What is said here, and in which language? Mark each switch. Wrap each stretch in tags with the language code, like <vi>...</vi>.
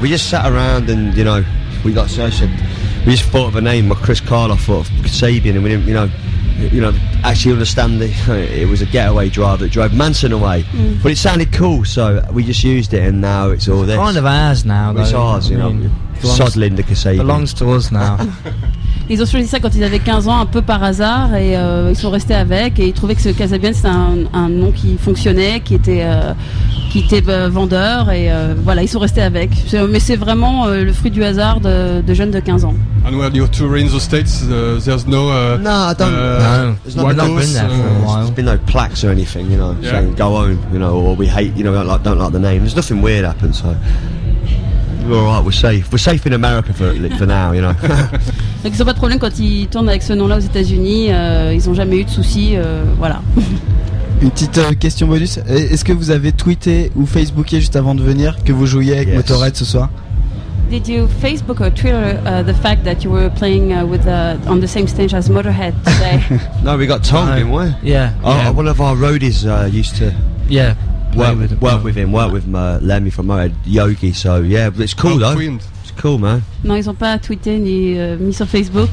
<en>We just sat around and, you know, we got searched. We just thought of a name, but Chris Karloff thought of Casabian, and we didn't, you know, actually understand that it was a getaway driver that drove Manson away. Mm. But it sounded cool, so we just used it, and now it's all this. It's kind of ours now, though. It's ours, you know. Sod Linda Casabian. Belongs to us now.</en> <fr>Ils ont choisi ça quand ils avaient 15 ans, un peu par hasard, et ils sont restés avec, et ils trouvaient que ce Casabian, c'était un nom qui fonctionnait, qui était vendeur, et voilà, ils sont restés avec. Mais c'est vraiment le fruit du hasard de jeunes de 15 ans.</fr> <en>And when you're touring the States, there's no... No, there's not been there for a while. There's been no plaques or anything, you know, saying go home, you know, or we hate, you know, like, don't like the name. There's nothing weird happened, so... We're all right, we're safe. We're safe in America for now, you know.</en> <fr>Donc ils n'ont pas de problème quand ils tournent avec ce nom-là aux États-Unis. Ils n'ont jamais eu de soucis, voilà. Une petite question bonus. Est-ce que vous avez tweeté ou Facebooké juste avant de venir que vous jouiez avec Motorhead ce soir?</fr> <en>Did you Facebook or Twitter the fact that you were playing on the same stage as Motorhead today? No, we got Tom, didn't we? Yeah. Oh, one of our roadies used to... Yeah. Work with Lemmy from Motorhead, Yogi, so yeah, it's cool though. Twinned. It's cool, man.</en> <fr>Non, ils ont pas tweeté ni mis sur Facebook.</fr>